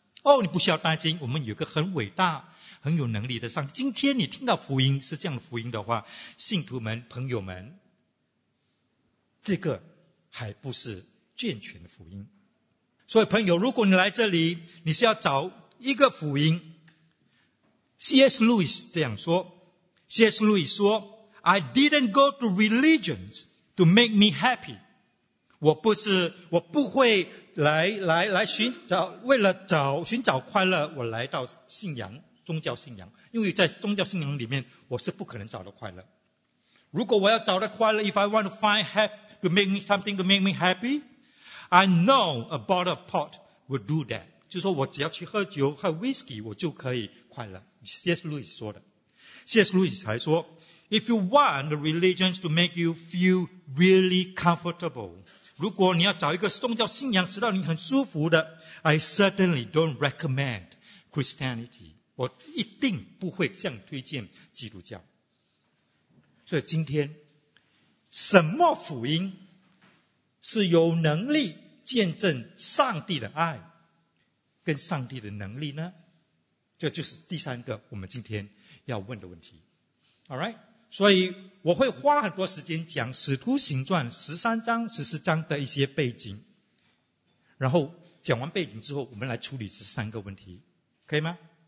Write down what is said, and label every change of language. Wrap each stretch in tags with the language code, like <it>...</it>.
<zh>哦，你不需要担心，我们有个很伟大很有能力的上帝。今天你听到福音是这样的福音的话，信徒们朋友们，这个还不是健全的福音。所以朋友，如果你来这里你是要找一个福音， C.S. Lewis 这样说， C.S. Lewis 说，</zh> <en>I didn't go to religions to make me happy，</en> <zh>我不会来寻找快乐，我来到信仰，宗教信仰，因为在宗教信仰里面我是不可能找到快乐。如果我要找到快乐，</zh> <en>If I want to find to make me something to make me happy, I know a bottle of port would do that，</en> <zh>就是说我只要去喝酒喝</zh> <en>whisky</en> <zh>我就可以快乐。</zh> <en>C.S. Lewis 说的。C.S.</en> <zh>Lewis 还说，</zh> <en>If you want the religions to make you feel really comfortable，</en> <zh>如果你要找一个宗教信仰使到你很舒服的，</zh> <en>I certainly don't recommend Christianity，</en> <zh>我一定不会这样推荐基督教。所以今天什么福音是有能力见证上帝的爱跟上帝的能力呢？这就是第三个我们今天要问的问题。Alright， 所以我会花很多时间讲使徒行传13章、14章的一些背景，然后讲完背景之后我们来处理这三个问题，可以吗？</zh>